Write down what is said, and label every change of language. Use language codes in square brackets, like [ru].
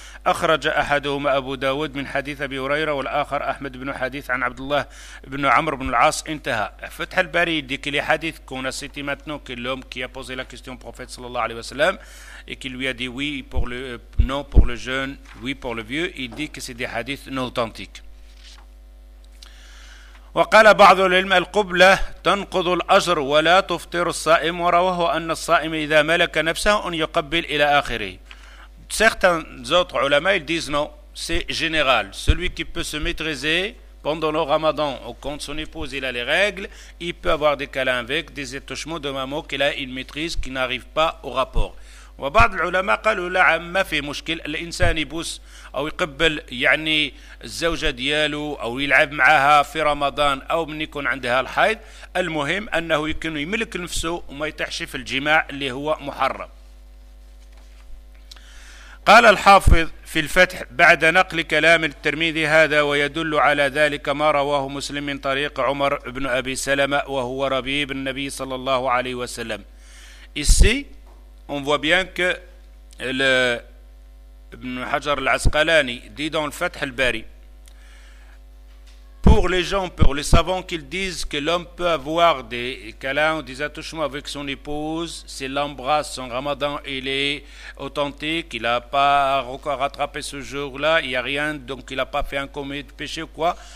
[ar] أخرج أحدهما أبو داود من حديث أبي هريرة والآخر أحمد بن حديث عن عبد الله بن عمرو بن العاص انتهى فتح الباري [fr] dit que les hadiths qu'on a cité maintenant que l'homme qui a posé la question au prophète sallallahu alayhi wa sallam et qui lui a dit oui pour le non pour le jeune oui pour le vieux il dit que c'est des hadiths non authentiques [ar] وقال بعض العلماء القبلة تنقض الأجر ولا تفطر الصائم ورواه أن الصائم إذا ملك نفسه أن يقبل إلى آخره [fr] Certains autres ulama, ils disent non, c'est général. Celui qui peut se maîtriser pendant le ramadan ou quand son épouse il a les règles, il peut avoir des câlins avec, des étouchements de maman qu'il a une maîtrise qui n'arrive pas au rapport. [ar] وبعض العلماء قالوا لا عم ما في مشكل، الإنسان يبوس أو يقبل يعني الزوجة دياله أو يلعب معها في رمضان أو من يكون عندها الحيض، المهم أنه يكون يملك نفسه وما يتحش في الجماع اللي هو محرم. قال الحافظ في الفتح بعد نقل كلام الترمذي هذا ويدل على ذلك ما رواه مسلم من طريق عمر بن أبي سلمة وهو ربيب النبي صلى الله عليه وسلم. [fr] إسي on voit bien que le Ibn Hajar al-Asqalani dit dans le Fath al-Bari, pour les gens, pour les savants qu'ils disent que l'homme peut avoir des câlins ou des attouchements avec son épouse, s'il l'embrasse en Ramadan, il est authentique, il n'a pas rattrapé ce jour-là, il n'y a rien, donc il n'a pas fait un commis de péché ou quoi.